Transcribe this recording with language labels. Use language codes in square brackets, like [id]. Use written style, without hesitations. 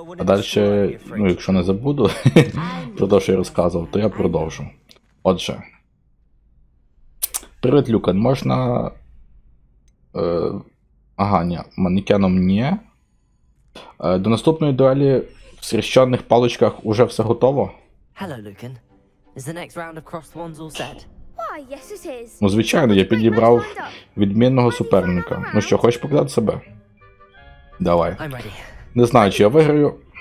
[uk] А далі, ну, якщо не забуду про те, що я розказував, то я продовжу. Отже. Привіт, Люкан, можна... Ага, ні, манекеном ні. До наступної дуелі в схрещених паличках уже все готово? [en] Hello, Lucan. Is the next round of crossed wands all set? Why, yes it is. [uk] Ну, звичайно, я підібрав відмінного суперника. Ну що, хочеш показати себе? Давай. [en] I'm ready. [uk] Не знаю, чи я виграю.